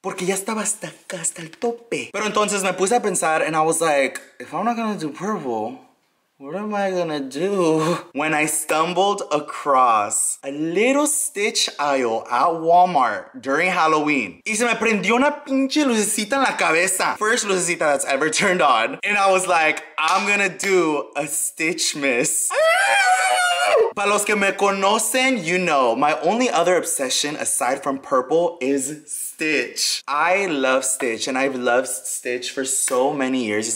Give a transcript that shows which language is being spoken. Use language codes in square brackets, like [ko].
[es] Porque ya estaba hasta acá, hasta el tope. Pero entonces, me puse a pensar, [en] and I was like, if I'm not gonna do purple, what am I gonna do? When I stumbled across a little Stitch aisle at Walmart during Halloween. [es] Y se me prendió una pinche lucecita en la cabeza. [en] First lucecita that's ever turned on. And I was like, I'm gonna do a Stitchmas. [es] Para los que me conocen, [en] you know, my only other obsession aside from purple is Stitch. I love Stitch and I've loved Stitch for so many years.